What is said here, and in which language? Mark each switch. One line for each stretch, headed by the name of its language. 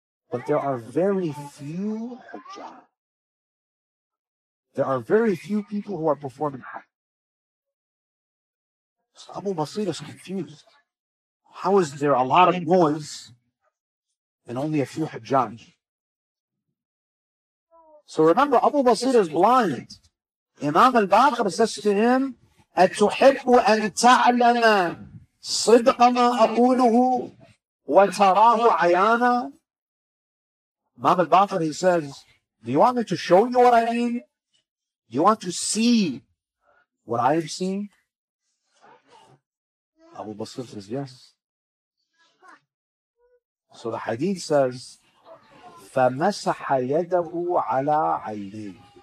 English: But there are very few hajjaj. There are very few people who are performing hajj. So Abu Basir is confused. How is there a lot of noise and only a few hajjaj? So remember, Abu Basir is blind. Imam al-Baqir says to him,
Arabic: أَتُحِبُّ أَن تَعْلَمَ صِدْقَ مَا أَقُولُهُ وَتَرَاهُ عَيَانًا.
English: Imam al-Baqir, he says, do you want me to show you what I mean? Do you want to see what I have seen? Abu Basir says, yes. So the hadith says,
Arabic: فَمَسَحَ يَدَهُ عَلَىٰ عَيْنِهِ.